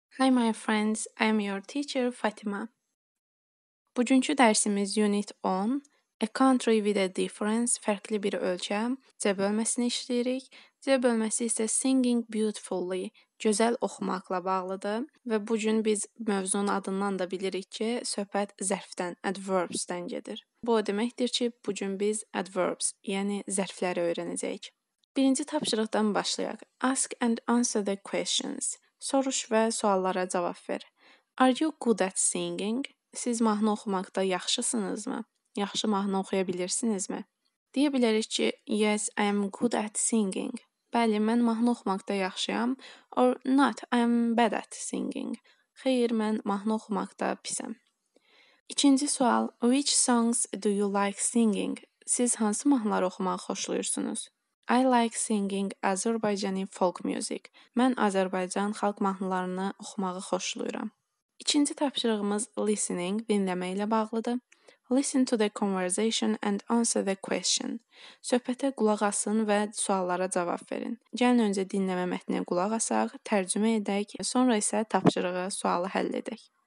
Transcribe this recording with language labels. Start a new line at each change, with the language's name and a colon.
English: Hi my friends, I'm your teacher Fatima.
Azerbaijani: Bugünkü dərsimiz unit 10,
English: a country with a difference,
Azerbaijani: fərqli bir ölkə, C bölməsini işləyirik. C bölməsi isə
English: singing beautifully,
Azerbaijani: gözəl oxumaqla bağlıdır və bu gün biz mövzunun adından da bilirik ki, söhbət zərfdən, adverbs-dən gedir. Bu deməkdir ki, bu gün biz adverbs, yəni zərfləri öyrənəcəyik. Birinci tapşırıqdan başlayaq.
English: Ask and answer the questions.
Azerbaijani: Soruş və suallara cavab ver.
English: Are you good at singing?
Azerbaijani: Siz mahnı oxumaqda yaxşısınızmı? Yaxşı mahnı oxuya bilirsinizmi? Deyə bilərik ki,
English: yes, I am good at singing.
Azerbaijani: Bəli, mən mahnı oxumaqda yaxşıyam.
English: Or not, I am bad at singing.
Azerbaijani: Xeyr, mən mahnı oxumaqda pisəm. İkinci sual,
English: which songs do you like singing?
Azerbaijani: Siz hansı mahnıları oxumağı xoşlayırsınız?
English: I like singing Azerbaijani folk music.
Azerbaijani: Mən Azərbaycan xalq mahnılarını oxumağı xoşlayıram. İkinci tapşırığımız listening, dinləmə ilə bağlıdır.
English: Listen to the conversation and answer the question.
Azerbaijani: Söhbətə qulaq asın və suallara cavab verin. Gəlin öncə dinləmə mətninə qulaq asaq, tərcümə edək, sonra isə tapşırığı, sualı həll edək.